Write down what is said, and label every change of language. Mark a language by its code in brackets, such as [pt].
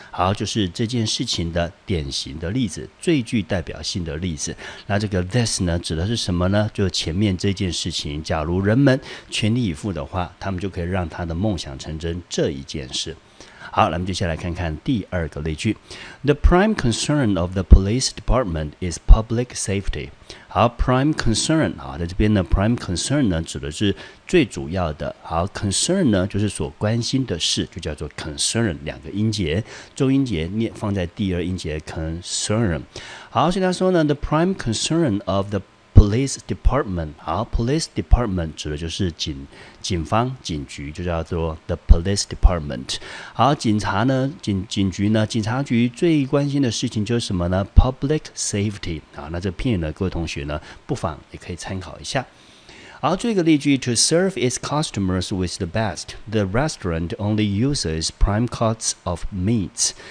[zh] 好，就是这件事情的典型的例子，最具代表性的例子。那这个 this 呢指的是什么呢？就前面这件事情，假如人们全力以赴的话，他们就可以让他的梦想成真这一件事。好，那么接下来看看第二个例句。 [en] The prime concern of the police department is public safety。 [zh] 好， prime concern， 好，在这边呢 prime concern 呢指的是最主要的。好， concern 呢就是所关心的事，就叫做 concern， 两个音节，中音节念放在第二音节 concern。好，所以他说呢 [en] the prime concern of thePolice department。 [zh] 好， police department 指的就是 警方警局，就叫做 the police department。好，警察呢 警局呢警察局最关心的事情就是什么呢？ [en] public safety。 [zh] 好，那这片语呢各位同学呢不妨也可以参考一下。好，这个例句， [en] to serve its customers with the best, the restaurant only uses prime cuts of meats.